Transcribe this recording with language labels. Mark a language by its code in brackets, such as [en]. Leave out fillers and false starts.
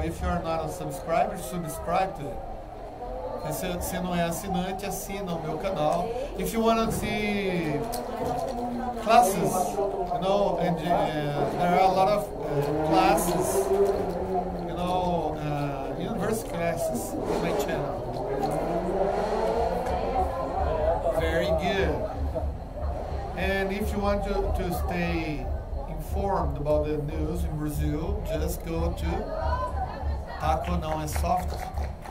[en] If you are not a subscriber, subscribe to it. [pt] Se você não é assinante, assina o meu canal. [en] If you want to see classes, you know, and there are a lot of classes, you know, university classes on my channel. Very good. And if you want to stay informed about the news in Brazil, just go to Taco Não é Soft.